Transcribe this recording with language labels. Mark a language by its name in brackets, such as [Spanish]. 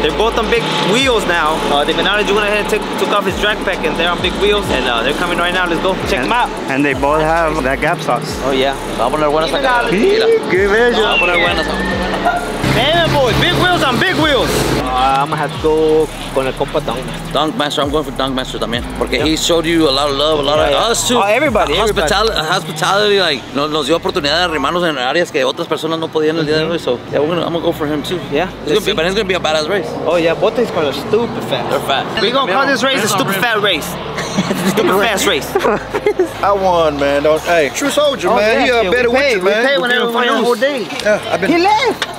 [English] They're both on big wheels now. Demonology went ahead and took off his drag pack and they're on big wheels and they're coming right now. Let's go check them out. And they both have that gap sauce. Oh, yeah. [Spanish] Vamos a poner buenas acá. Qué bello. Vamos a poner buenas acá. [English] Hey, boys, big wheels on big wheels. I'm gonna have to go [Spanish] con el compa [English] Donkmaster. Donkmaster, I'm going for Donkmaster también. Porque yep. He showed you a lot of love, a lot of us too. Oh, everybody, Hospitality, like, [Spanish] nos dio oportunidad de arrimarnos en áreas que otras personas no podían el día de hoy. [English] So, yeah, I'm gonna go for him too. Yeah. But it's gonna be a badass race. Oh, yeah, both these cars are stupid fast. They're fast. We're gonna call this race a stupid fat race. Stupid fast race. I won, man. Hey, true soldier, man. Yeah, you're a better winner, man. We paid whenever we won the whole day. Yeah, he left.